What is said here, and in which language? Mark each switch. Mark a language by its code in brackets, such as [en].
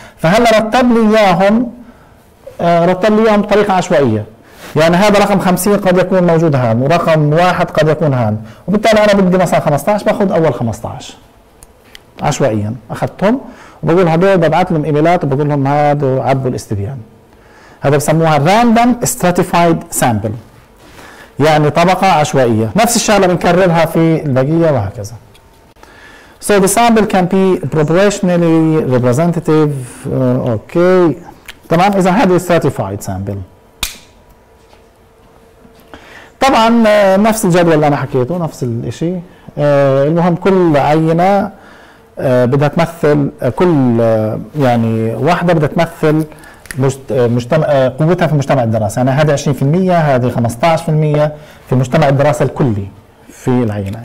[ar] فهلا رتب لي اياهم، رتب لي اياهم بطريقة عشوائية، يعني هذا رقم 50 قد يكون موجود هان ورقم 1 قد يكون هان، وبالتالي انا بدي مثلا 15 باخذ اول 15 عشوائيا اخذتهم وبقول هدول ببعث لهم ايميلات وبقول لهم هاد وعبوا الاستبيان. هذا بسموها [en] random stratified sample، [ar] يعني طبقة عشوائية. نفس الشغلة بنكررها في البقية وهكذا. [en] So the sample can be proportionally representative. Okay. [ar] تمام، إذا هذه stratified sample. طبعا نفس الجدول اللي أنا حكيته نفس الإشي. المهم كل عينة بدها تمثل كل يعني واحدة بدها تمثل مجتمع قوتها في مجتمع الدراسة، يعني هذه 20% هذه 15% في مجتمع الدراسة الكلي في العينة.